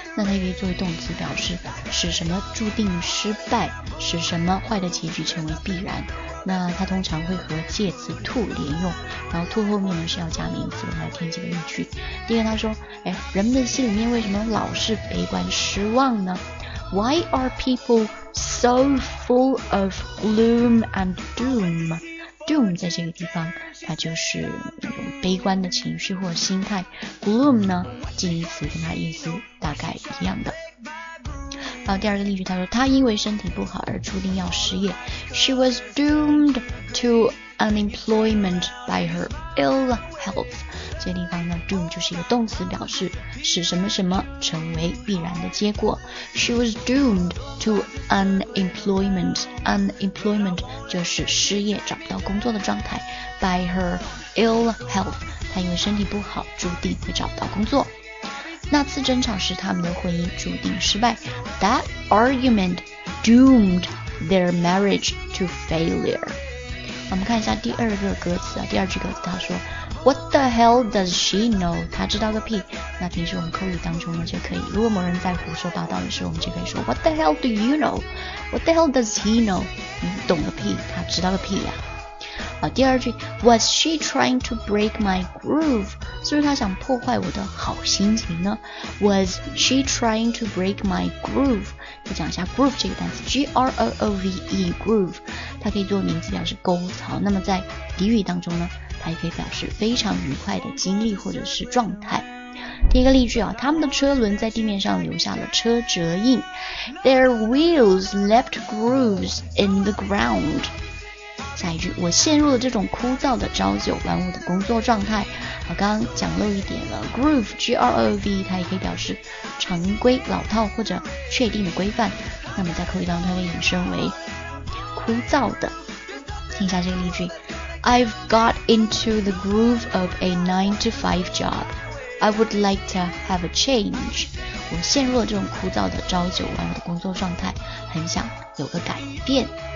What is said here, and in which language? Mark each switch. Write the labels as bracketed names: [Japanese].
[Chinese] 那它也可以作为动词，表示使什么注定失败，使什么坏的结局成为必然。那它通常会和介词 to 连用，然后 to 后面呢是要加名词来添几个例句。第一个他说，哎，人们的心里面为什么老是悲观失望呢？ [English] Why are people so full of gloom and doom? [Chinese] Doom 在这个地方它就是悲观的情绪或心态， gloom 呢近义词跟它意思大概一样的。然后第二个例句他说，他因为身体不好而注定要失业， [English] She was doomed to unemployment by her ill health. [Chinese] 这地方呢 doom 就是一个动词，表示使什么什么成为必然的结果。 [English] She was doomed to unemployment [Chinese] 就是失业找不到工作的状态， [English] by her ill health， [Chinese] 她因为身体不好注定会找不到工作。那次争吵时他们的婚姻注定失败， [English] That argument doomed their marriage to failure。 [Chinese] 我们看一下第二个歌词啊，第二句歌词他说 [English] What the hell does she know? [Chinese] 他知道个屁。那平时我们口语当中呢就可以，如果某人在胡说八道的时候，我们就可以说 [English] What the hell do you know? What the hell does he know? [Chinese] 你懂个屁，他知道个屁呀。第二句 [English] Was she trying to break my groove? [Chinese] 是不是他想破坏我的好心情呢？ [English] Was she trying to break my groove? [Chinese] 再讲一下 groove 这个单词， G-R-O-O-V-E groove， 它可以做名词表示沟槽，那么在俚语当中呢它也可以表示非常愉快的经历或者是状态。第一个例句啊，他们的车轮在地面上留下了车辙印， [English] Their wheels left grooves in the ground。 [Chinese] 下一句，我陷入了这种枯燥的朝九晚五的工作状态。我刚刚讲漏一点了， groove G-R-O-V-E 它也可以表示常规、老套或者确定的规范，那么在口语当中它会引申为枯燥的。 [English] 听一下这个例句， I've got into the groove of a 9-to-5 job. I would like to have a change. [Chinese] 我陷入了这种枯燥的朝九晚五的工作状态，很想有个改变。